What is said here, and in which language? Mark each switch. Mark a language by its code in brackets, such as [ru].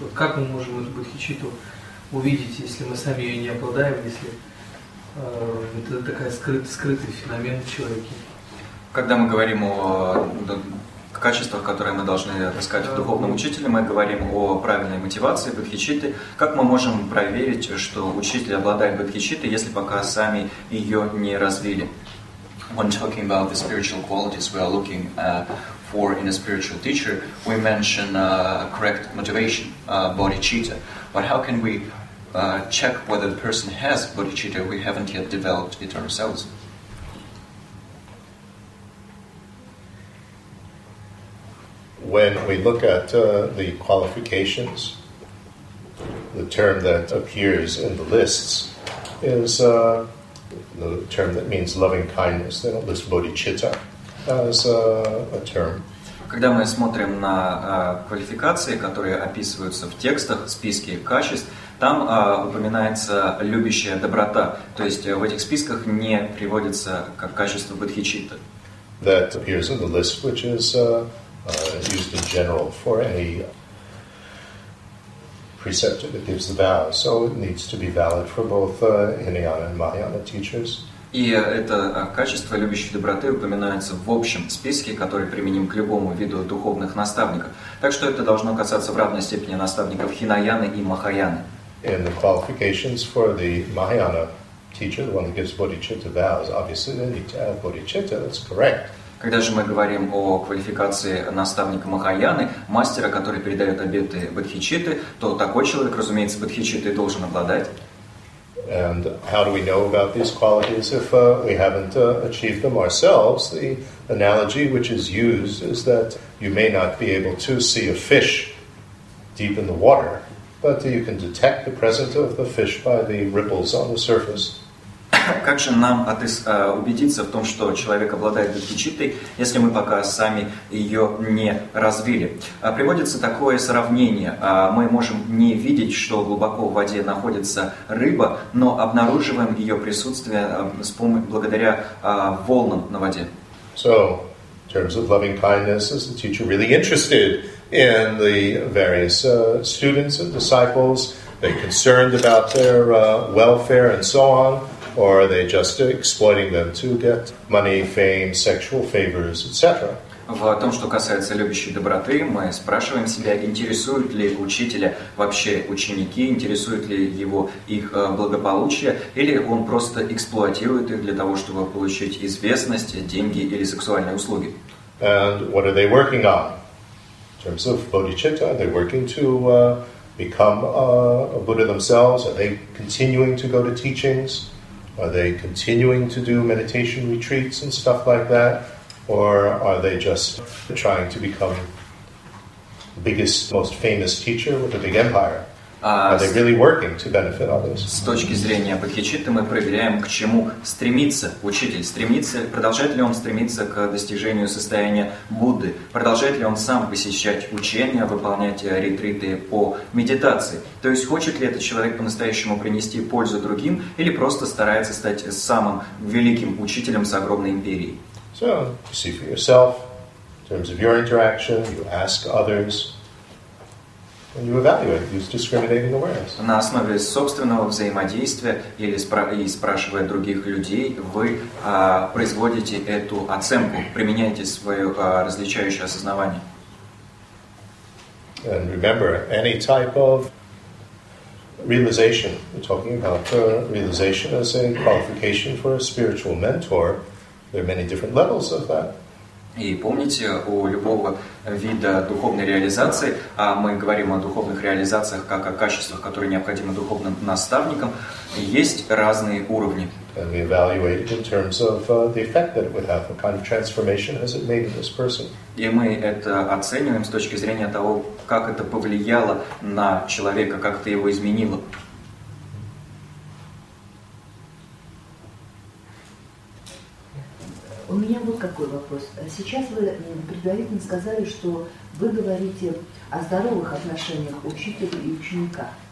[ru] Вот как мы можем эту бодхичитту увидеть, если мы сами ее не обладаем, если это такой скрытый феномен в человеке? Когда мы говорим о качествах, которые мы должны искать в духовном учителе, мы говорим о правильной мотивации бодхичитты. Как мы можем проверить, что учитель обладает бодхичиттой, если пока сами ее не развили? [en] When talking about the spiritual qualities we are looking for in a spiritual teacher, we mention correct motivation, bodhicitta. But how can we check whether the person has bodhicitta? We haven't yet developed it ourselves. When we look at the qualifications, the term that appears in the lists is the term that means loving kindness. They don't list bodhicitta as a term. [ru] Когда мы смотрим на квалификации, которые описываются в текстах, списке качеств, там упоминается любящая доброта. То есть в этих списках не приводится как качество бодхичитта. [en] That appears in the list, which is used in general for any preceptor that gives the vow. So it needs to be valid for both Hinayana and Mahayana teachers. [ru] И это качество любящей доброты упоминается в общем списке, который применим к любому виду духовных наставников. Так что это должно касаться в равной степени наставников Хинаяны и Махаяны. [en] And the qualifications for the Mahayana teacher, the one that gives bodhicitta vows, obviously they need to have bodhicitta, that's correct. [ru] Когда же мы говорим о квалификации наставника Махаяны, мастера, который передает обеты бодхичитты, то такой человек, разумеется, бодхичиттой должен обладать. [en] And how do we know about these qualities if we haven't achieved them ourselves? The analogy which is used is that you may not be able to see a fish deep in the water, but you can detect the presence of the fish by the ripples on the surface. [ru] Как же нам убедиться в том, что человек обладает бодхичиттой, если мы пока сами ее не развили? Приводится такое сравнение. Мы можем не видеть, что глубоко в воде находится рыба, но обнаруживаем ее присутствие благодаря волнам на воде. [en] So, in terms of loving kindness, is the teacher really interested in the various students and disciples? They concerned about their welfare and so on? Or are they just exploiting them to get money, fame, sexual favors, etc.? [ru] В том, что касается любящей доброты, мы спрашиваем себя, интересуют ли учителя вообще ученики, интересует ли его их благополучие, или он просто эксплуатирует их для того, чтобы получить известность, деньги или сексуальные услуги. [en] And what are they working on? In terms of bodhicitta, are they working to become a Buddha themselves? Are they continuing to go to teachings? Are they continuing to do meditation retreats and stuff like that? Or are they just trying to become the biggest, most famous teacher with a big empire? Are they really working to benefit others? [ru] С точки зрения бодхичитты мы проверяем, к чему стремится учитель. Стремится, продолжает ли он стремиться к достижению состояния Будды? Продолжает ли он сам посещать учения, выполнять ретриты по медитации? То есть хочет ли этот человек по-настоящему принести пользу другим или просто старается стать самым великим учителем с огромной империей? [en] So, you see for yourself, in terms of your interaction, you ask others, and you evaluate, use discriminating awareness. [ru] На основе собственного взаимодействия или спрашивая других людей, вы производите эту оценку, применяете свое различающее осознавание. [en] And remember, any type of realization, we're talking about realization as a qualification for a spiritual mentor, there are many different levels of that. [ru] И помните, у любого вида духовной реализации, а мы говорим о духовных реализациях как о качествах, которые необходимы духовным наставникам, есть разные уровни. [en] And we evaluate it in terms of the effect that it would have, what kind of transformation has it made in this person. [ru] И мы это оцениваем с точки зрения того, как это повлияло на человека, как это его изменило. У меня вот какой вопрос. Сейчас вы предварительно сказали, что вы говорите о здоровых отношениях учителя и ученика.